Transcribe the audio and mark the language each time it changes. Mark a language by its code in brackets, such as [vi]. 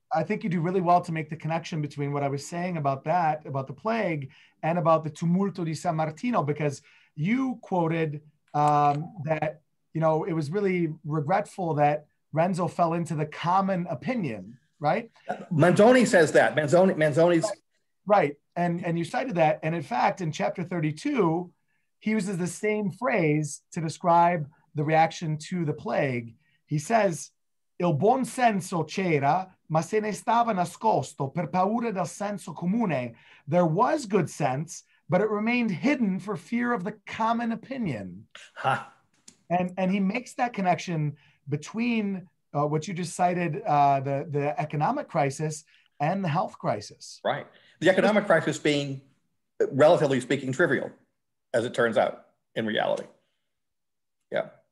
[en] I think you do really well to make the connection between what I was saying about that, about the plague, and about the tumulto di San Martino, because you quoted that, you know, it was really regretful that Renzo fell into the common opinion, right? Manzoni says that. Manzoni's. Right. And you cited that. And in fact, in chapter 32, he uses the same phrase to describe the reaction to the plague. [it] He says, il buon senso c'era, ma se ne stava nascosto per paura del senso comune. [en] There was good sense, but it remained hidden for fear of the common opinion. Huh. And he makes that connection between what you just cited, the economic crisis and the health crisis. Right. The economic crisis being, relatively speaking, trivial, as it turns out, in reality. Yeah.